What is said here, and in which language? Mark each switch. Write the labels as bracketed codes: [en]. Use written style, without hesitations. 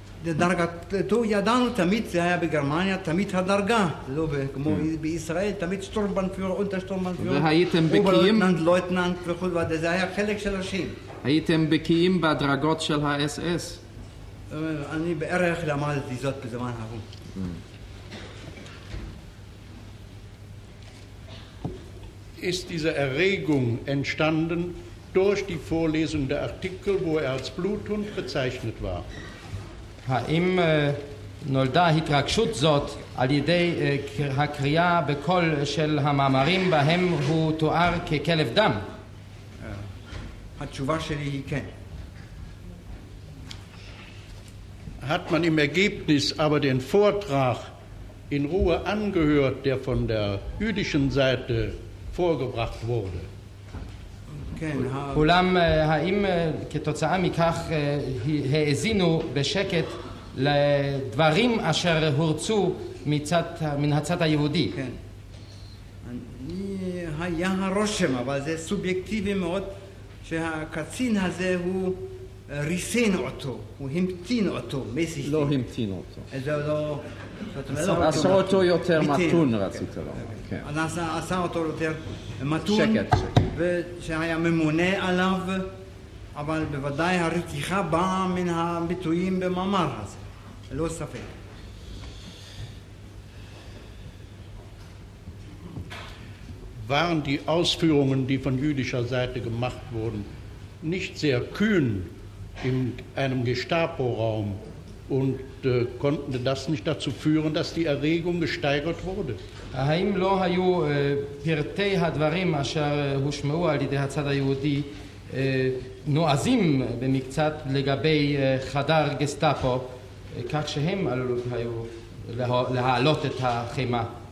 [he] דרגתו ידענו, תמיד זה היה בגרמניה, תמיד הדרגה, לא כמו בישראל, תמיד שטורמבנפיור, אונטר שטורמבנפיור. והייתם בקיאים? לויטננט וכו', זה היה חלק של השם. הייתם בקיאים בדרגות של האס-אס? אני בערך למדתי זאת בזמן ההוא. [de] Ist diese Erregung entstanden durch die Vorlesung der Artikel, wo er als Bluthund bezeichnet war? [he] האם נולדה התרגשות זאת על ידי הקריאה בקול של המאמרים בהם הוא תואר ככלב דם? התשובה שלי היא כן. [de] Hat man im Ergebnis aber den Vortrag in Ruhe angehört, der von der jüdischen Seite vorgebracht wurde? [he] אולם האם כתוצאה מכך האזינו בשקט לדברים אשר הורצו מן הצד היהודי? כן. אני היה הרושם, אבל זה סובייקטיבי מאוד, שהקצין הזה הוא ריסן אותו, הוא המתין אותו. לא המתין אותו. זה לא... עשה אותו יותר מתון, רצית לומר. עשה אותו יותר מתון. שקט. ושהיה ממונה עליו, אבל בוודאי הרתיחה באה מן הביטויים במאמר הזה. לא ספק. [de] Waren die Ausführungen, die von jüdischer Seite gemacht wurden, nicht sehr kühn in einem Gestapo-Raum? Und konnten das nicht dazu führen, dass die Erregung gesteigert wurde? [he] האם לא היו פרטי הדברים אשר הושמעו על ידי הצד היהודי נועזים במקצת לגבי חדר גסטאפו, כך שהם היו להעלות את החימה?